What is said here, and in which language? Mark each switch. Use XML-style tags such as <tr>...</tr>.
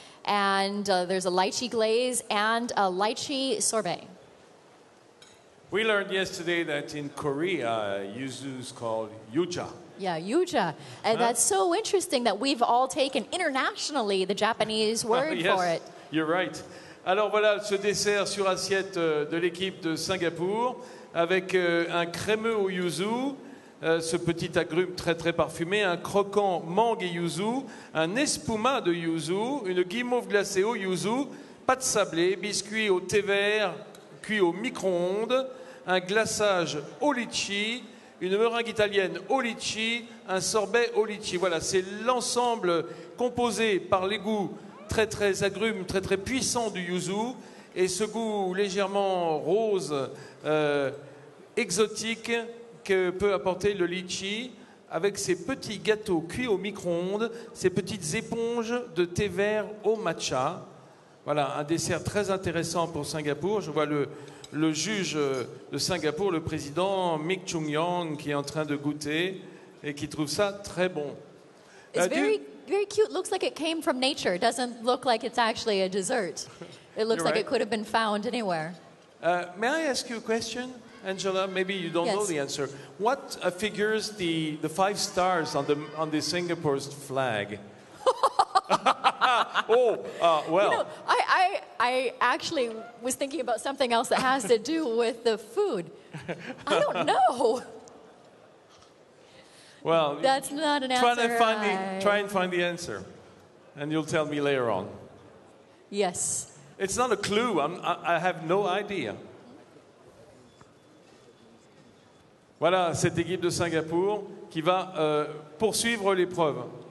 <en>And there's a lychee glaze and a lychee sorbet. We learned yesterday that in Korea, yuzu is called yuja. Yeah, yuja. And that's so interesting that we've all taken internationally the Japanese word yes. for it. You're right.</en> <fr>Alors voilà ce dessert sur assiette de l'équipe de Singapour avec un crémeux au yuzu, ce petit agrume très très parfumé, un croquant mangue et yuzu, un espuma de yuzu, une guimauve glacée au yuzu, pâte sablée, biscuit au thé vert cuit au micro-ondes, un glaçage au litchi, une meringue italienne au litchi, un sorbet au litchi. Voilà, c'est l'ensemble composé par les goûts très très agrume, très très puissant du yuzu et ce goût légèrement rose exotique que peut apporter le litchi avec ses petits gâteaux cuits au micro-ondes, ses petites éponges de thé vert au matcha. Voilà, un dessert très intéressant pour Singapour. Je vois le juge de Singapour, le président Mick Chung Yong, qui est en train de goûter et qui trouve ça très bon.</fr> <en>Very cute. Looks like it came from nature. It doesn't look like it's actually a dessert. It looks right. like it could have been found anywhere. May I ask you a question, Angela? Maybe you don't yes. know the answer. What figures the 5 stars on the Singapore's flag? well. I actually was thinking about something else that has to do with the food. I don't know. Well, that's not an answer. Try and find the answer, and you'll tell me later on. Yes. It's not a clue. I have no idea.</en> <fr>Voilà cette équipe de Singapour qui va poursuivre l'épreuve.</fr>